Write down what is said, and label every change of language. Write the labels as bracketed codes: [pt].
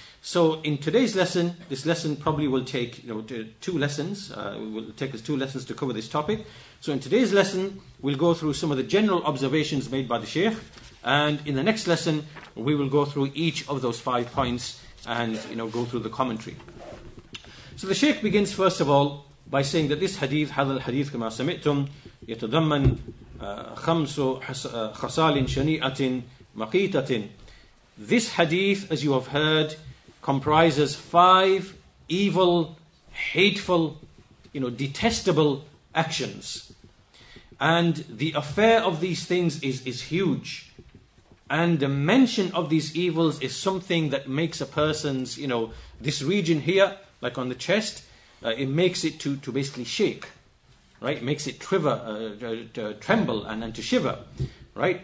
[en] So in today's lesson, this lesson probably will take, you know, two lessons. It will take us two lessons to cover this topic. So in today's lesson, we'll go through some of the general observations made by the Shaykh. And in the next lesson, we will go through each of those 5 points and, you know, go through the commentary. So the Shaykh begins, first of all, by saying that this hadith, [ar] هذا الحديث كما سمعتم يتضمن خمس خصال شنيعة مقيتة. [en] This hadith, as you have heard, comprises 5 evil, hateful, you know, detestable actions. And the affair of these things is huge. And the mention of these evils is something that makes a person's, you know, this region here, like on the chest, it makes it to basically shake, right? It makes it quiver, to tremble and to shiver, right?